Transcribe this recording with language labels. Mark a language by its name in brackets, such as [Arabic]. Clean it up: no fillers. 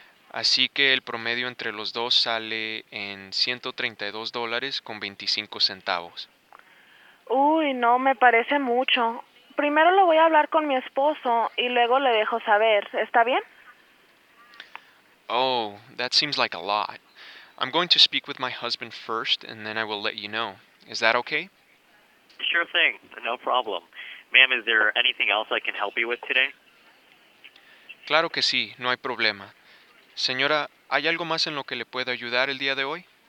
[Spanish] Así que el promedio entre los dos sale en $132.25. Uy, no, me parece mucho. Primero lo voy a hablar con mi esposo y luego le dejo saber. ¿Está bien? [English] Oh, that seems like a lot. I'm going to speak with my husband first and then I will let you know. Is that okay? Sure thing. No problem. Ma'am, is there anything else I can help you with today? [Spanish] Claro que sí. No hay problema. Señora, ¿hay algo más en lo que le pueda ayudar el día de hoy?